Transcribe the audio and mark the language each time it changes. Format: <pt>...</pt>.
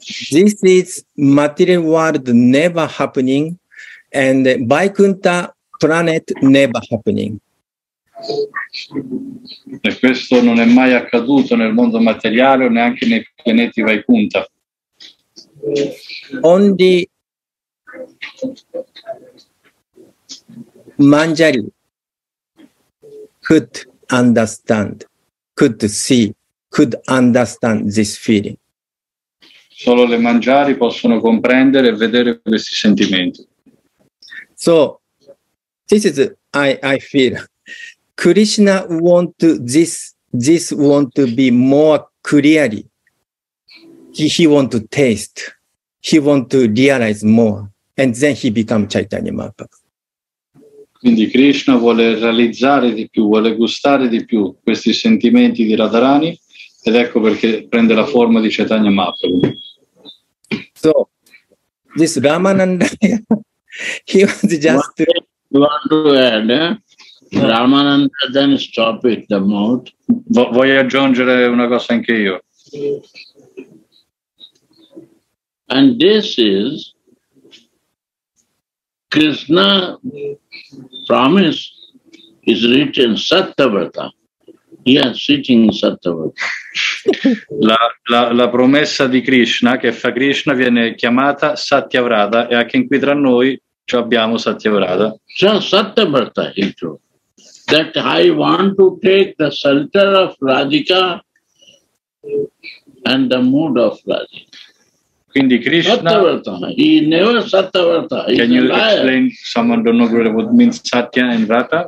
<en>This is material world never happening, and Vaikuntha planet never happening.</en> <it>E questo non è mai accaduto nel mondo materiale o neanche nei pianeti Vaikuntha.</it> <en>Only Manjari could understand, could see, could understand this feeling.</en> <it>Solo le Manjari possono comprendere e vedere questi sentimenti.</it> <en>So, this is I feel. Krishna want to this want to be more clearly. He want to taste. He want to realize more, and then he become Chaitanya Mahaprabhu.</en> <it>Quindi Krishna vuole realizzare di più, vuole gustare di più questi sentimenti di Radharani, ed ecco perché prende la forma di Chaitanya Mahaprabhu.</it> <en>So, this Ramananda, he was just Ramananda, then stop it, the mouth.</en> <it>Vuoi aggiungere una cosa anche io?</it> <en>And this is Krishna promise is written Satyavrata. He is sitting in Satyavrata.</en> <it>La promessa di Krishna, che fa Krishna, viene chiamata Satyavrata, e anche qui tra noi ci abbiamo Satyavrata. C'è Satyavrata, il tuo.</it> <en>That I want to take the shelter of Radhika and the mood of Radhika.</en> <it>Quindi Krishna,</it> <en>he never Satyavrata. Can you explain? Someone don't know what means Satya and Vrata?</en>